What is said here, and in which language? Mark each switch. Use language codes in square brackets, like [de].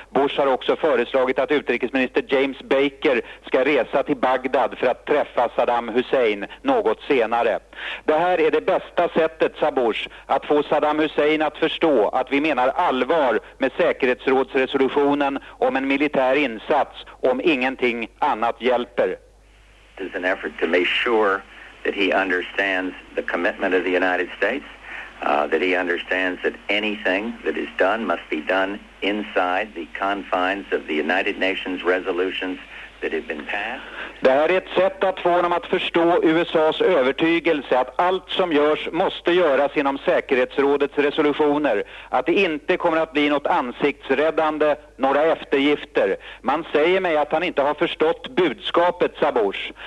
[sv] Bush har också föreslagit att utrikesminister James Baker ska resa till Bagdad för att träffa Saddam Hussein något senare. Det här är det bästa sättet, sa Bush, att få Saddam Hussein att förstå att vi menar allvar med säkerhetsrådsresolutionen om en militär insats om ingenting annat hjälper. [en] This is an effort to make sure that he understands the commitment of the United States, that he understands that anything that is done must be done inside the confines of the United Nations resolutions. [sv] Det här är ett sätt att få honom att förstå USAs övertygelse att allt som görs måste göras inom säkerhetsrådets resolutioner. Att det inte kommer att bli något ansiktsräddande, några eftergifter. Man säger mig att han inte har förstått budskapet, sa Bush.